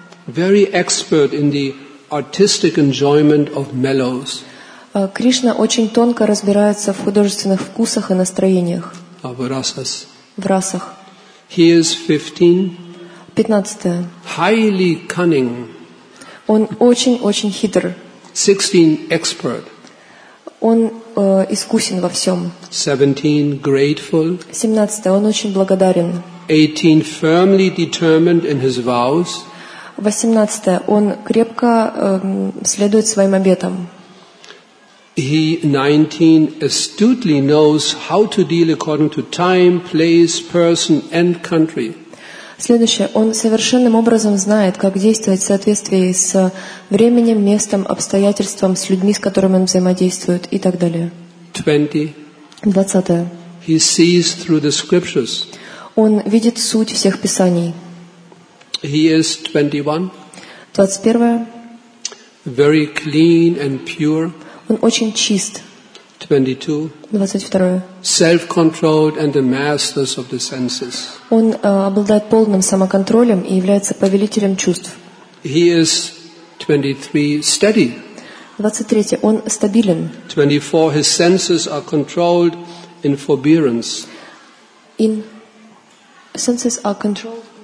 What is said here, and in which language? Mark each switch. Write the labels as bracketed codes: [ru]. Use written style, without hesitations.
[en] Very expert in the artistic enjoyment of mellows. [ru] Кришна очень тонко разбирается в художественных вкусах и настроениях. [en] Of rasas. [ru] В расах. [en] He is 15. [ru] Пятнадцатое. [en] Highly cunning. [ru] Он очень-очень хитр. [en] 16, expert. [ru] Он искусен во всем. [en] 17, grateful. [ru] Семнадцатое. Он очень благодарен. [en] 18, firmly determined in his vows. [ru] Восемнадцатое. Он крепко следует своим обетам. [en] He 19, astutely knows how to deal according to time, place, person and country. [ru] Следующее. Он совершенным образом знает, как действовать в соответствии с временем, местом, обстоятельством, с людьми, с которыми он взаимодействует и так далее. [en] 20. [ru] Двадцатое. [en] He sees through the scriptures. [ru] Он видит суть всех писаний. [en] He is 21. [ru] 21. [en] Very clean and pure. [ru] Он очень чист. [en] 22. [ru] 22. [en] Self-controlled and the masters of the senses. [ru] Он обладает полным самоконтролем и является повелителем чувств. [en] He is 23. Steady. [ru] 23. Он стабилен. [en] 24. His senses are controlled in forbearance. In senses are controlled.